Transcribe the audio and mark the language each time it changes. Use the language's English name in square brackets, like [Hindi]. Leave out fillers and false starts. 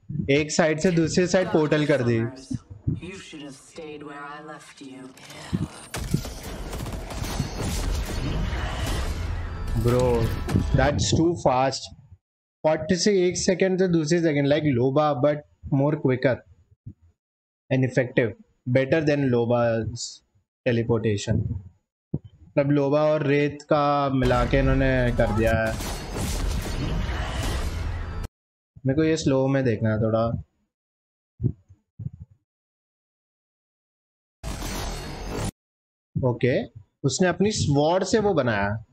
[Hindi] एक साइड से दूसरी साइड पोर्टल कर दी. [English] You should have stayed where I left you. Bro, that's too fast. What is it? 1 second to 2 second, like Loba, but more quicker and effective. Better than Loba's teleportation. [Hindi] मतलब Loba और रेत का मिला के इन्होंने कर दिया है. मेरे को ये स्लो में देखना है थोड़ा. ओके, उसने अपनी स्वॉर्ड से वो बनाया।